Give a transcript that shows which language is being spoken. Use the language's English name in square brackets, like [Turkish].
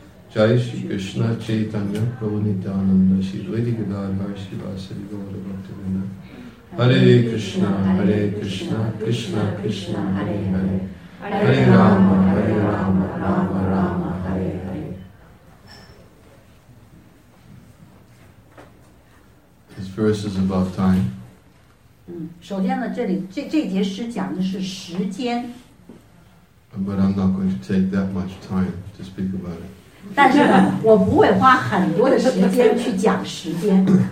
[Sanskrit] Jai Shri Krishna Chaitanya Prabhu Nityananda Shri Dvaiti Gadar Hari Shri Vasari Gaurav Bhakti Vinda Hare Krishna Krishna Krishna Hare Hare Hare Rama Hare Rama Rama Rama Hare Hare [English] This verse is about time. [Chinese] 首先呢，这节诗讲的是时间。 [English] But I'm not going to take that much time to speak about it. [Chinese] 但是我不会花很多的时间去讲时间。